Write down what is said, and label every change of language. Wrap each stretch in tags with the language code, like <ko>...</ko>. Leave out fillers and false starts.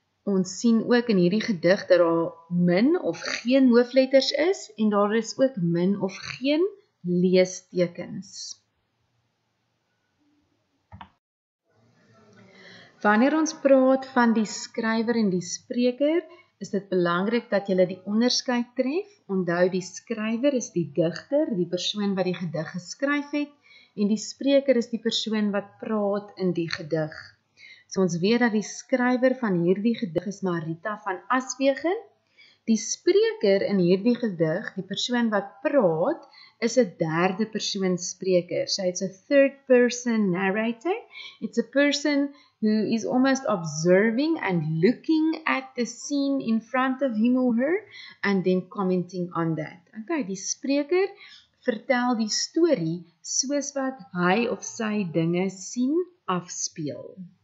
<af>Ons sien ook in hierdie gedig dat daar min of geen hoofletters is en daar is ook min of geen leestekens. Wanneer ons praat van die skrywer en die spreker, is dit belangrik dat jy die onderskeid tref. Onthou, die skrywer is die digter, die persoon wat die gedig geskryf het, en die spreker is die persoon wat praat in die gedig. So ons weet dat die skrywer van hierdie gedig is Marita van Aswegen. Die spreker in hierdie gedig, die persoon wat praat, is 'n derde persoon spreker.</af> <en>So it's a third person narrator. It's a person who is almost observing and looking at the scene in front of him or her and then commenting on that.</en> <af>Okay, die spreker vertel die storie soos wat hy of sy dinge sien afspeel.</af>